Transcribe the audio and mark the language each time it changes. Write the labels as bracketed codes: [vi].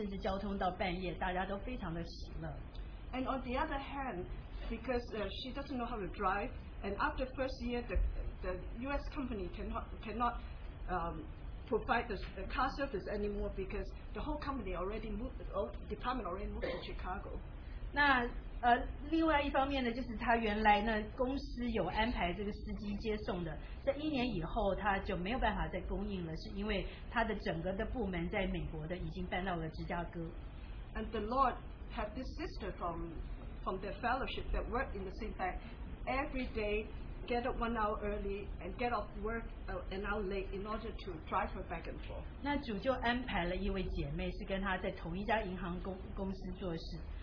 [zh] 那所以呢，在一方面呢，他也帮助了他们，因为他们没有祷告会，他们也没有姐妹聚会。但是我的女儿呢，就邀请了一些姐妹到她家，他们时常有交通，有些时候甚至交通到半夜，大家都非常的喜乐。 [en] And on the other hand, because she doesn't know how to drive, and after first year, the U.S. company cannot provide the car service anymore because the whole company already moved, the whole department already moved to Chicago. [zh] 那另外一方面呢，就是他原来呢公司有安排这个司机接送的，在一年以后他就没有办法再供应了，是因为他的整个的部门在美国的已经搬到了芝加哥。 [en] And the Lord had this sister from their fellowship that worked in the same bank every day, get up 1 hour early and get off work an hour late in order to drive her back and forth. [zh] 那主就安排了一位姐妹是跟他在同一家银行公司做事。